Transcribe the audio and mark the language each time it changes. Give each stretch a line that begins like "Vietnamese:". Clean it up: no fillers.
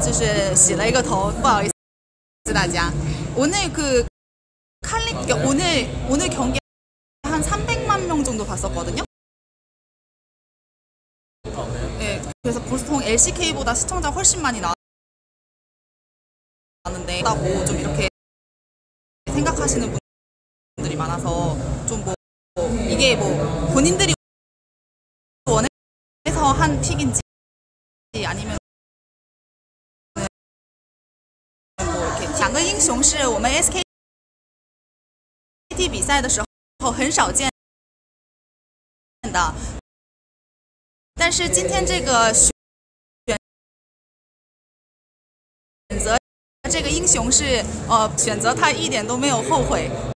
Chinese: 就是化妆的时候啊，就是觉得有点，就是不太方便，所以他就是洗了一个头，不好意思大家。
Korean: 오늘 그 칼리 오늘 경기 한 300만 명 정도 봤었거든요. 네, 그래서 보통 LCK보다 시청자 훨씬 많이 나왔는데 하고 좀 이렇게 생각하시는 분. 많아서 좀 뭐 이게 뭐 본인들이 원해서 한 픽인지 아니면 양의
Chinese: 英雄是我们 SKT 比赛的时候很少见的，但是今天这个选择这个英雄是选择他一点都没有后悔。